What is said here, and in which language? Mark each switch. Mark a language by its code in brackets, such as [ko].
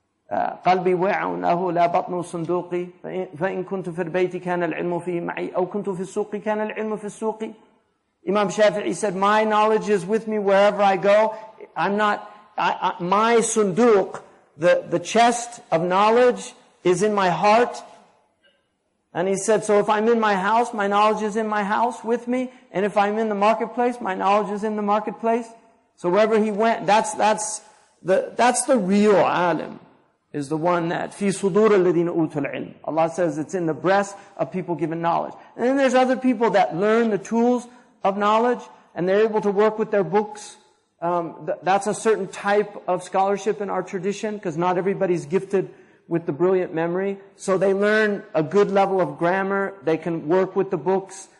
[ar] قلبي وعاء له لا بطن صندوقي فإن كنت في البيت كان العلم في معي أو كنت في السوق كان العلم في السوق. [en] Imam Shafi'i said, my knowledge is with me wherever I go. My sunduq, the chest of knowledge, is in my heart. And he said, so if I'm in my house, my knowledge is in my house with me. And if I'm in the marketplace, my knowledge is in the marketplace. So wherever he went, that's the real alim. Is the one that [ar] في صدور الذين أوتوا العلم. [en] Allah says it's in the breast of people given knowledge. And then there's other people that learn the tools of knowledge and they're able to work with their books. That's a certain type of scholarship in our tradition, because not everybody's gifted with the brilliant memory. So they learn a good level of grammar. They can work with the books.